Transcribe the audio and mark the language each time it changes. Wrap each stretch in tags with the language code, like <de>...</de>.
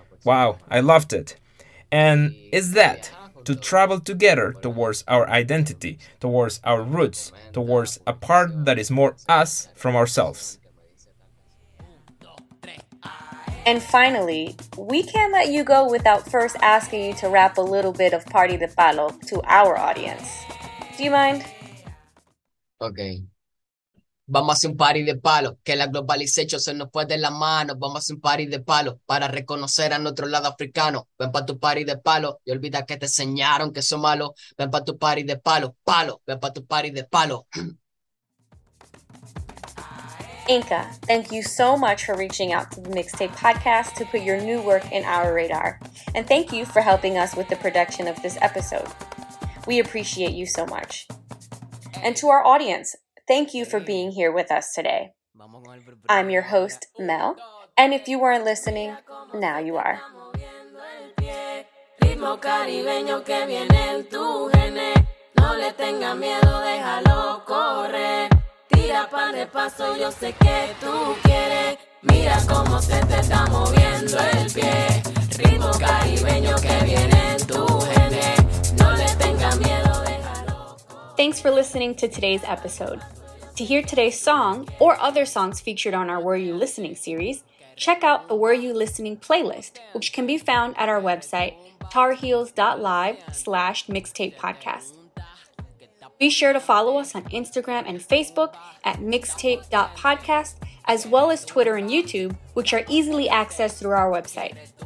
<en>Wow, I loved it. And it's that, to travel together towards our identity, towards our roots, towards a part that is more us from ourselves. And finally, we can't let you go without first asking you to rap a little bit of Party de Palo to our audience. Do you mind? Okay.</en> <es>Vamos a hacer un party de palo, que la globalización se nos fue de la mano. Vamos a hacer un party de palo, para reconocer a nuestro lado africano. Ven pa' tu party de palo, y olvida que te enseñaron que son malos. Ven pa' tu party de palo, palo, ven pa' tu party de palo.</es> <en>Inca, thank you so much for reaching out to the Mixtape Podcast to put your new work in our radar. And thank you for helping us with the production of this episode. We appreciate you so much. And to our audience, thank you for being here with us today. I'm your host, Mel. And if you weren't listening, now you are.</en> <es>Tira pa' de paso, yo sé que tú quieres. Mira cómo se te está moviendo el pie. Ritmo caribeño que viene en tu gene. No le tengas miedo, déjalo.</es> <en>Thanks for listening to today's episode. To hear today's song or other songs featured on our Were You Listening series, check out the Were You Listening playlist, which can be found at our website, tarheels.live/mixtapepodcast. Be sure to follow us on Instagram and Facebook at mixtape.podcast, as well as Twitter and YouTube, which are easily accessed through our website.</en>